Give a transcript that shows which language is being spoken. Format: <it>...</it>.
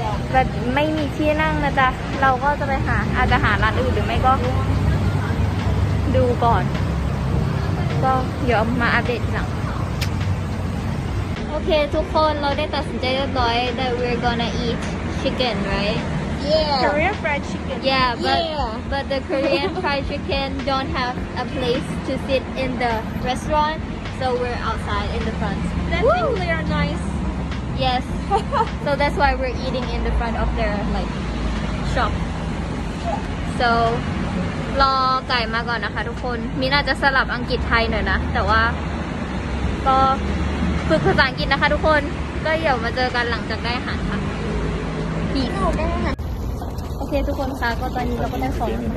<th>แต่ไม่มีที่นั่งนะจ๊ะเราก็จะไปหาอาจจะหาร้านอื่นหรือไม่ก็ดูก่อนก็เดี๋ยวมาอัปเดตหลังโอเคทุกคนเราได้ตัดสินใจเรียบร้อย</th> <en>that we're gonna eat chicken right yeah Korean fried chicken yeah but the Korean fried chicken don't have a place to sit in the restaurant so we're outside in the front that's really nice Yes, so that's why we're eating in the front of their like shop.</en> <th>So, รอไก่มาก่อนนะคะทุกคนมีน่าจะสลับอังกฤษไทยหน่อยนะแต่ว่าก็ฝึกภาษาอังกฤษนะคะทุกคนก็เดี๋ยวมาเจอกันหลังจากได้อาหารค่ะปีกโอเคทุกคนคะก็ตอนนี้เราก็ได้สอง</th>